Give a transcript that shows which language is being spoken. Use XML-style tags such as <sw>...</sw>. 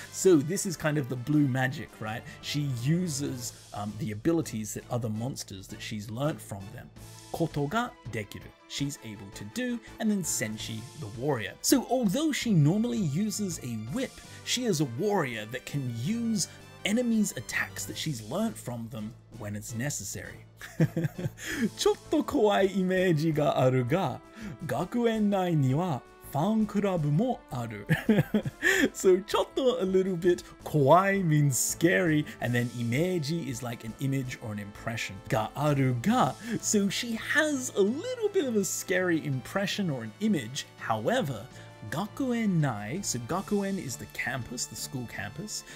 <en>So this is kind of the blue magic, right? She uses、the abilities that other monsters that she's learned from them.</en> <ja>ことができる</ja> <en>She's able to do, and then Senshi, the warrior. So although she normally uses a whip, she is a warrior that can use enemies' attacks that she's learnt from them when it's necessary.</en> <ja>ちょっと怖いイメージがあるが、学園内にはファンクラブもある。</ja> <en>So, ちょっと a little bit 怖い means scary, and then imeji is like an image or an impression. があるが, so she has a little bit of a scary impression or an image, however, Gakuen nai, so gakuen is the campus, the school campus.</en>